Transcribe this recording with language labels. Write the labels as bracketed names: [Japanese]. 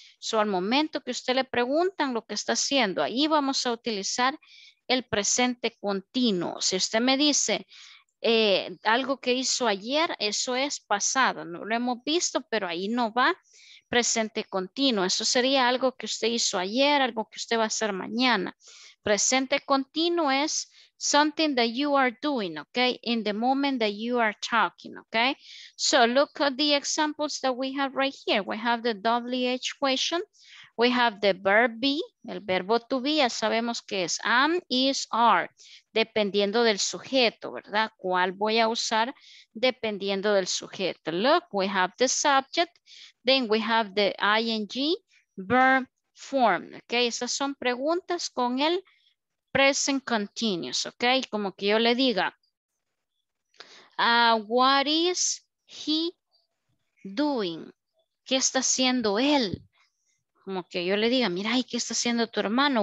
[Spanish] So, al momento que usted le preguntan lo que está haciendo, ahí vamos a utilizar el presente continuo. Si usted me dice, algo que hizo ayer, eso es pasado, no lo hemos visto, pero ahí no va presente continuo. Eso sería algo que usted hizo ayer, algo que usted va a hacer mañana. Presente continuo es [English] something that you are doing, okay, in the moment that you are talking, okay. So look at the examples that we have right here. We have the WH question. We have the verb be, [Spanish] el verbo to be, ya sabemos que es am, is, are, dependiendo del sujeto, ¿verdad? ¿Cuál voy a usar dependiendo del sujeto? [English] Look, we have the subject, then we have the ing, verb form, ¿ok? [Spanish] Esas son preguntas con el present continuous, ¿ok? Como que yo le diga, [English] what is he doing? [Spanish] ¿Qué está haciendo él? Como que yo le diga, mira, ¿y qué está haciendo tu hermano?